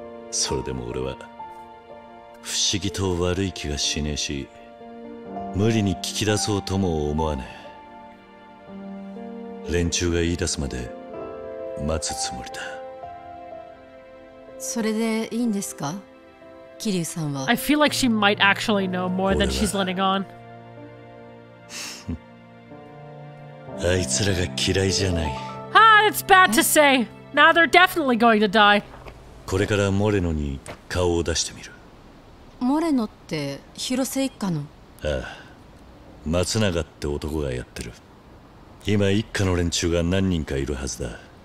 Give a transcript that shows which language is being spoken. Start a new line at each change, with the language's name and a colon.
Japanese: それでも俺は不思議と悪い気がしねえし、無理に聞き出そうとも思わねえ。連中が言い出すまで待つつもりだ。それでいいんですか、キリュウさんは。
English: I feel like she might actually know more than she's letting on.
Japanese: あいつらが嫌いじゃない。
English: Ah, it's bad to say. Now they're definitely going to die.
Japanese: これからモレノに顔を出してみる。モレノって広瀬一家の。ああ、松永って男がやってる。今一家の連中が何人かいるはずだ。